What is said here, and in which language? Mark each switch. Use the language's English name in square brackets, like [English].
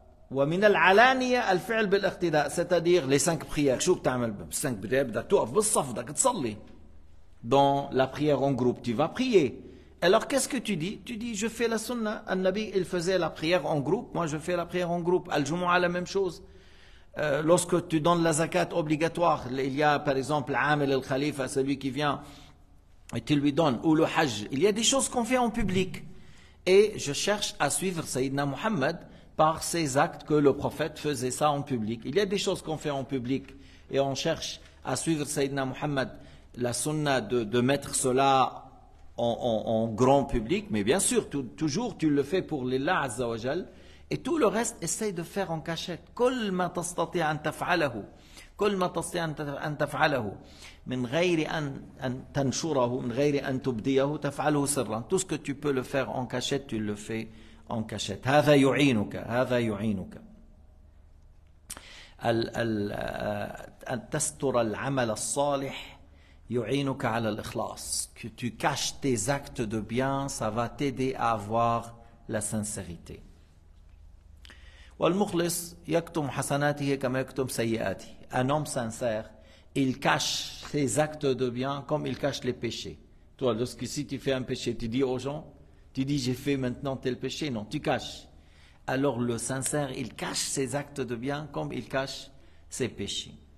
[Arabic] ومن العلانية الفعل بالاقتداء [French] c'est-à-dire les cinq prières. [Arabic] شو بتعمل بال [French] cinq prières؟ [Arabic] بدك توقف بالصف بدك تصلي. [French] Dans la prière en groupe tu vas prier. Alors qu'est-ce que tu dis? Tu dis je fais la sunna. النبي il faisait la prière en groupe, moi je fais la prière en groupe. Al-Jumu'ah la même chose. Lorsque tu donnes la zakat obligatoire, il y a par exemple l'amil al-khalifa, celui qui vient et tu lui donnes, ou le hajj, il y a des choses qu'on fait en public et je cherche à suivre Sayyidina Muhammad par ces actes que le prophète faisait ça en public. Il y a des choses qu'on fait en public et on cherche à suivre Sayyidina Muhammad, la sunna de mettre cela en grand public, mais bien sûr toujours tu le fais pour l'Allah Azza wa Jal et tout le reste essaye de faire en cachette. [Arabic] كل ما تستطيع أن تفعله كل ما تستطيع أن تفعله من غير أن تنشره من غير أن تبديه تفعله سرا. [French] Tout ce que tu peux le faire en cachette tu le fais en cachette. [Arabic] هذا يعينك هذا يعينك أن تستر العمل الصالح يعينك على الإخلاص. [French] Que tu caches tes actes de bien, ça va t'aider à avoir la sincérité. [Arabic] والمخلص يكتم حسناته كما يكتم سيئاته. [French] Un homme sincère, il cache ses actes de bien comme il cache les péchés. Toi, lorsque si tu fais un péché, tu dis aux gens, tu dis j'ai fait maintenant tel péché. Non, tu caches. Alors le sincère, il cache ses actes de bien comme il cache ses péchés.